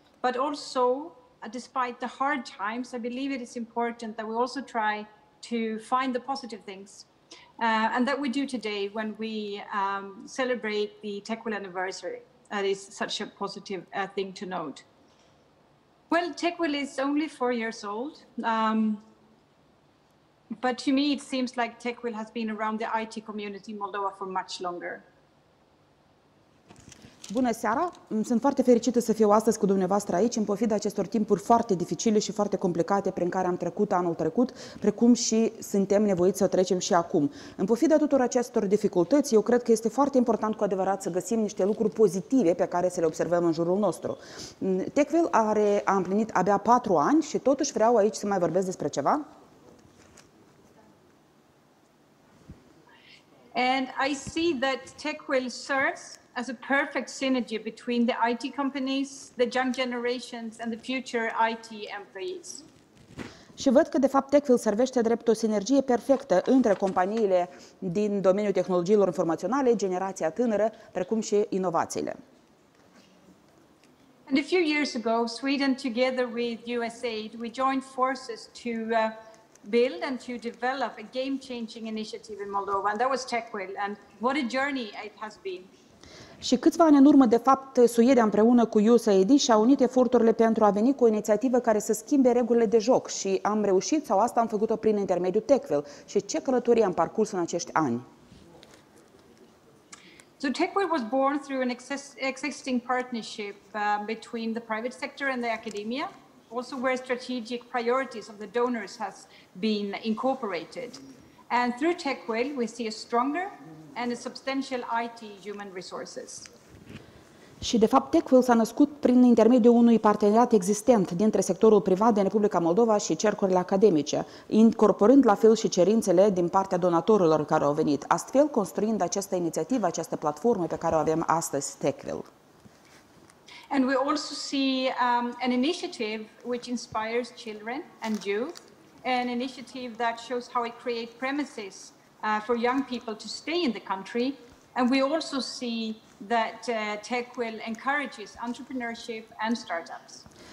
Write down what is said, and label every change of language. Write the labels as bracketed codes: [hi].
[en] But also, despite the hard times, I believe it is important that we also try to find the positive things, and that we do today when we celebrate the Techwell anniversary. That is such a positive thing to note. Well, Techwell is only 4 years old, but to me it seems like Techwell has been around the IT community in Moldova for much longer. [ro] Bună seara! Sunt foarte fericită să fiu astăzi cu dumneavoastră aici în pofida acestor timpuri foarte dificile și foarte complicate prin care am trecut anul trecut, precum și suntem nevoiți să trecem și acum. În pofida tuturor acestor dificultăți, eu cred că este foarte important cu adevărat să găsim niște lucruri pozitive pe care să le observăm în jurul nostru. Techwell a împlinit abia 4 ani și totuși vreau aici să mai vorbesc despre ceva. [en] And I see that Techwell serves as a perfect synergy between the IT companies, the young generations, and the future IT employees. [ro] Și văd că, de fapt, Techwell servește drept o sinergie perfectă între companiile din domeniul tehnologiilor informaționale, generația tânără, precum și inovațiile. [en] And a few years ago, Sweden, together with USAID, we joined forces to build and to develop a game-changing initiative in Moldova, and that was Techwell, and what a journey it has been. [ro] Și câțiva ani în urmă, de fapt, Suedia împreună cu USAID și-a unit eforturile pentru a veni cu o inițiativă care să schimbe regulile de joc și am reușit, sau asta am făcut-o prin intermediul Techwell. Și ce călătorie am parcurs în acești ani? [en] So Techwell was born through an existing partnership between the private sector and the academia, also where strategic priorities of the donors has been incorporated. And through Techwell we see a stronger and a substantial IT human resources. [ro] Și de fapt Techwell s-a născut prin intermediul unui parteneriat existent dintre sectorul privat din Republica Moldova și cercurile academice, incorporând la fel și cerințele din partea donatorilor care au venit, astfel construind această inițiativă, această platformă pe care o avem astăzi, Techwell. [en] And we also see an initiative which inspires children and youth, an initiative that shows how it creates premises for young people to stay in the country. And we also see that Techwell encourages entrepreneurship and startups.